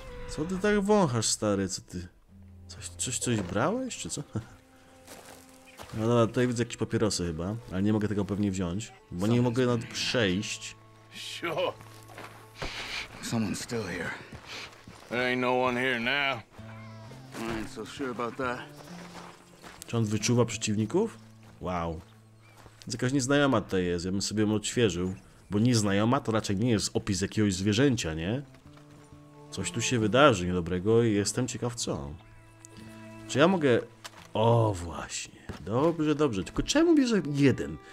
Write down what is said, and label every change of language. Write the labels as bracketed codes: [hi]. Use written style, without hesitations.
[pl] Co ty tak wąchasz, stary? Co ty? Coś brałeś, czy co? No dobra, tutaj widzę jakieś papierosy chyba, ale nie mogę tego pewnie wziąć, bo nie mogę nawet przejść. [en] Sure. Someone's still here. There ain't no one here now. I ain't so sure about that. [pl] Czy on wyczuwa przeciwników? Wow. Jakaś nieznajoma to jest, ja bym sobie ją odświeżył. Bo nieznajoma to raczej nie jest opis jakiegoś zwierzęcia, nie? Coś tu się wydarzy niedobrego i jestem ciekaw co. Czy ja mogę... O, właśnie. Dobrze. Tylko czemu bierze jeden?